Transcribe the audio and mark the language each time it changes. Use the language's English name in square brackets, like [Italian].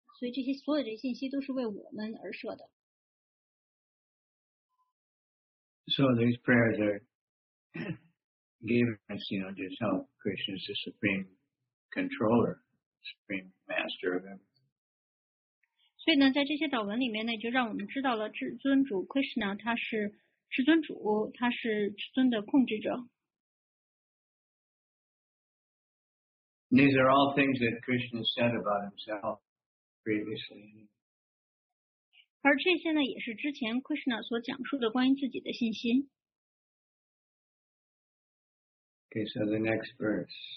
[Chinese] 所以这些所有的信息都是为我们而设的。 [English] So these prayers are giving us, you know, just how Krishna is the supreme controller, supreme master of everything. [Chinese] 所以呢，在这些祷文里面呢，就让我们知道了至尊主 Krishna 他是至尊主，他是至尊的控制者。 [English] These are all things that Krishna said about himself. Previously. [Chinese] 而这些呢也是之前 Krishna 所讲述的关于自己的信息。 [English] Okay, so the next verse.